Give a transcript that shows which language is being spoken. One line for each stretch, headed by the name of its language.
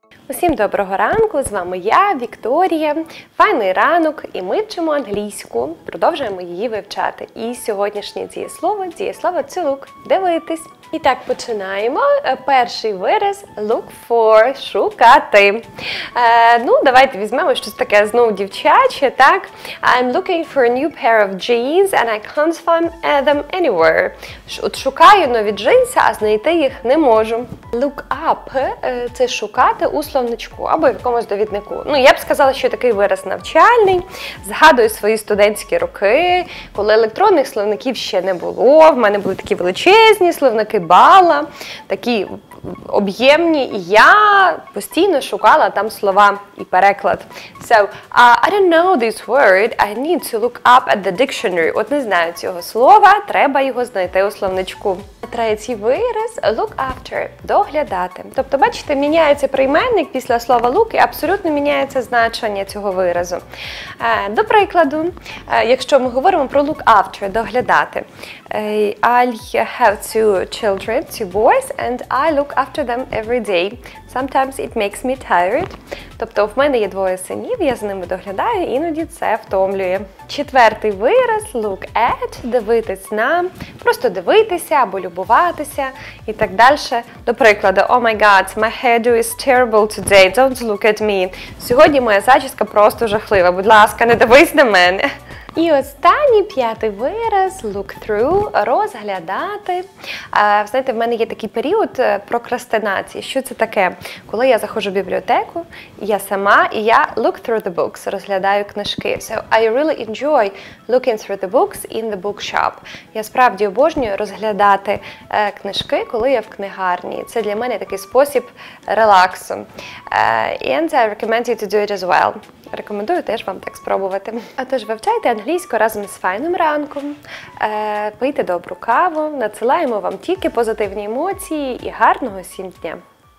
Ukrainian: Усім доброго ранку, з вами я, Вікторія. Файний ранок, і ми вчимо англійську, продовжуємо її вивчати. І сьогоднішнє дієслово to look, дивитись. І так починаємо. Перший вираз – look for, шукати. Ну, давайте візьмемо щось таке знову дівчаче, так?
English: I'm looking for a new pair of jeans and I can't find them anywhere.
Ukrainian: От шукаю нові джинси, а знайти їх не можу. Look up – це шукати у словничку або в якомусь довіднику. Ну, я б сказала, що такий вираз навчальний. Згадую свої студентські роки, коли електронних словників ще не було, в мене були такі величезні словники, кибала, такі об'ємні, і я постійно шукала там слова і переклад.
English: So, I don't know this word, I need to look up at the dictionary.
Ukrainian: От не знаю цього слова, треба його знайти у словничку. Третій вираз – look after – доглядати. Тобто, бачите, міняється прийменник після слова look і абсолютно міняється значення цього виразу. До прикладу, якщо ми говоримо про look after – доглядати.
English: I have two children, two boys, and I look after them every day. Sometimes it makes me tired.
Ukrainian: Тобто, в мене є двоє синів, я з ними доглядаю, іноді це втомлює. Четвертий вираз – look at – дивитись на, просто дивитися або любуватися і так далі. До прикладу,
English: oh my god, my hair is terrible today, don't look at me.
Ukrainian: Сьогодні моя зачіска просто жахлива, будь ласка, не дивись на мене. І останній, п'ятий вираз – look through – розглядати. Знаєте, в мене є такий період прокрастинації. Що це таке? Коли я заходжу в бібліотеку, я сама, і я
English: look through the books
Ukrainian: – розглядаю книжки.
English: So, I really enjoy looking through the books in the bookshop.
Ukrainian: Я справді обожнюю розглядати книжки, коли я в книгарні. Це для мене такий спосіб релаксу.
English: And I recommend you to do it as well.
Ukrainian: Рекомендую теж вам так спробувати. Отож, вивчайте англійську разом з файним ранком, пийте добру каву, надсилаємо вам тільки позитивні емоції і гарного всім дня!